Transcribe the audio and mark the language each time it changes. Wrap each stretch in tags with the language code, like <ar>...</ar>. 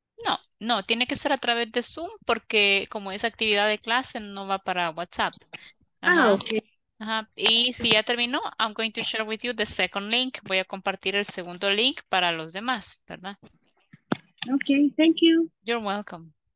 <es>No, no, tiene que ser a través de Zoom porque como es actividad de clase no va para WhatsApp. Ah, okay. Ajá. Y si ya terminó,</es> <en>I'm going to share with you the second link.</en> <es>Voy a compartir el segundo link para los demás, ¿verdad?</es> <en>Okay, thank you. You're welcome.</en>